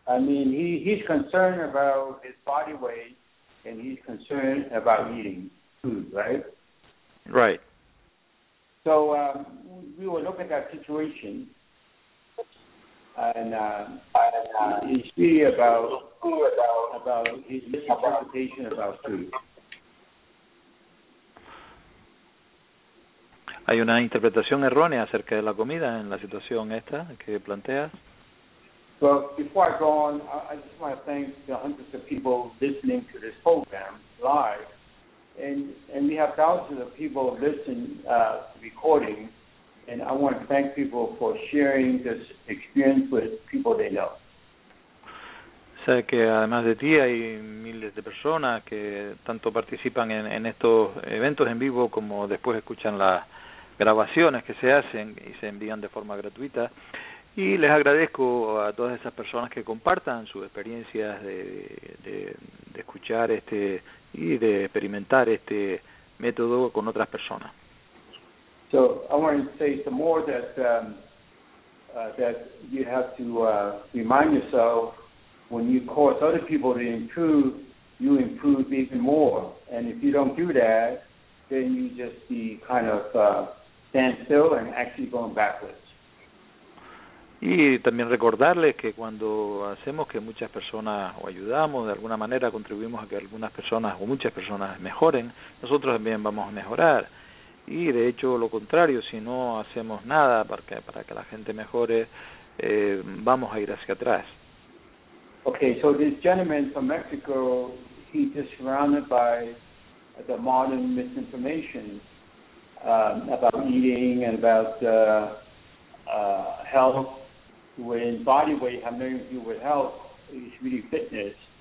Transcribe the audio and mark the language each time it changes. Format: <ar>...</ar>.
<en>I mean, he's concerned about his body weight, and he's concerned about eating food, right? Right. So we will look at that situation, and he's really about his misinterpretation about food.</en> <es>Hay una interpretación errónea acerca de la comida en la situación esta que planteas.</es> <en>Well, before I go on, I just want to thank the hundreds of people listening to this program live, and we have thousands of people listening to recording, and I want to thank people for sharing this experience with people they know.</en> <es>Sé que además de ti hay miles de personas que tanto participan en estos eventos en vivo como después escuchan la grabaciones que se hacen y se envían de forma gratuita, y les agradezco a todas esas personas que compartan sus experiencias de escuchar este y de experimentar este método con otras personas.</es> <en>So I want to say some more that you have to remind yourself when you cause other people to improve, you improve even more, and if you don't do that, then you just be kind of stand still and actually.</en> <es>Y también recordarles que cuando hacemos que muchas personas o ayudamos de alguna manera, contribuimos a que algunas personas o muchas personas mejoren, nosotros también vamos a mejorar. Y de hecho lo contrario, si no hacemos nada para que la gente mejore, vamos a ir hacia atrás.</es> <en>Okay, so this gentleman from Mexico, he is surrounded by the modern misinformation about eating and about health, when body weight has nothing to do with health, it's really fitness.</en>